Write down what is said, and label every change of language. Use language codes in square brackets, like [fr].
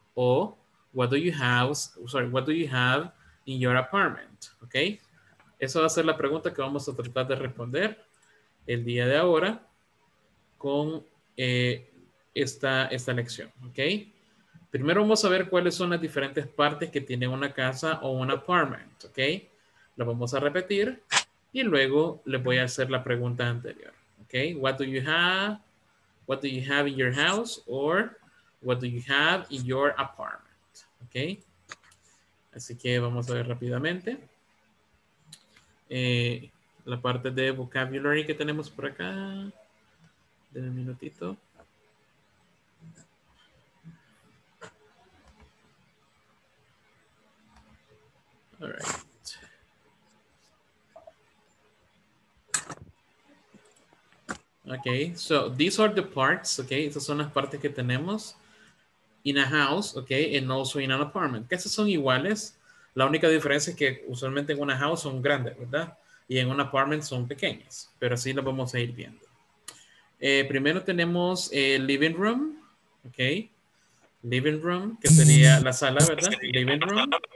[en] O what do you have in your apartment? Ok. [es] Esa va a ser la pregunta que vamos a tratar de responder el día de ahora con esta lección. Ok. Primero vamos a ver cuáles son las diferentes partes que tiene una casa o un apartment. Ok. Lo vamos a repetir y luego les voy a hacer la pregunta anterior. [en] Ok. What do you have in your house? Or what do you have in your apartment? [es] Ok, así que vamos a ver rápidamente la parte de vocabulary que tenemos por acá. Denme un minutito. [en] All right. Ok, so these are the parts, ok, [es] esas son las partes que tenemos. [en] In a house, ok, and also in an apartment. [es] Casas son iguales. La única diferencia es que usualmente en una house son grandes, ¿verdad? Y en un apartment son pequeñas. Pero así las vamos a ir viendo. Primero tenemos living room, ok. Living room, que sería la sala, ¿verdad? Living room.